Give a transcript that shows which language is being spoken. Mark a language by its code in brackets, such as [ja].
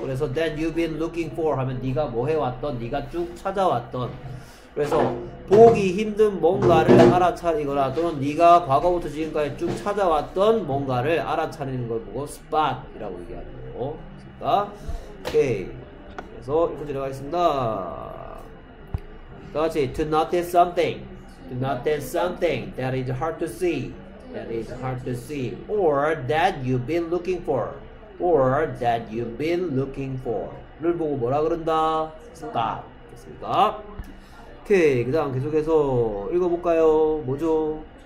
[ko] 그래서 [en] that you've been looking for [ko] 하면 네가 뭐 해왔던, 네가 쭉 찾아왔던. 그래서 보기 힘든 뭔가를 알아차리거나 또는 네가 과거부터 지금까지 쭉 찾아왔던 뭔가를 알아차리는 걸 보고 spot이라고 얘기하죠. 그러니까 오케이. 그래서 이렇게 들어가겠습니다. 다같이 [en] to notice something, to notice something that is hard to see, that is hard to see, or that you've been looking for, or that you've been looking for를 [ko] 보고 뭐라 그런다? Stop. 됐습니다. 오케이, 그 다음 계속해서 읽어볼까요? 뭐죠?